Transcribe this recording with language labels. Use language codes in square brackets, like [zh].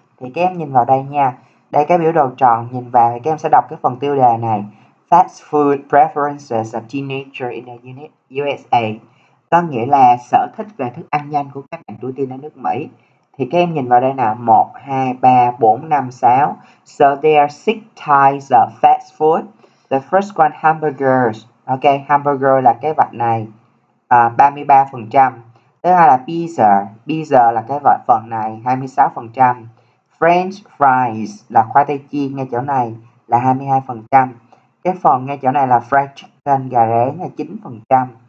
[vi] Thì các em nhìn vào đây nha. Đây cái biểu đồ tròn, nhìn vào thì các em sẽ đọc cái phần tiêu đề này: [en] Fast food preferences of teenager in the USA. [vi] Có nghĩa là sở thích về thức ăn nhanh của các bạn tuổi teen ở nước Mỹ. Thì các em nhìn vào đây nè, 1, 2, 3, 4, 5, 6. [en] So there are six types of fast food. The first one, hamburgers. [vi] Ok, hamburger là cái vật này, 33%. Thứ hai là pizza. Pizza là cái vật phần này, 26%. French fries là khoai tây chiên, ngay chỗ này là 22%. Cái phần ngay chỗ này là fried chicken, gà rán là 9%.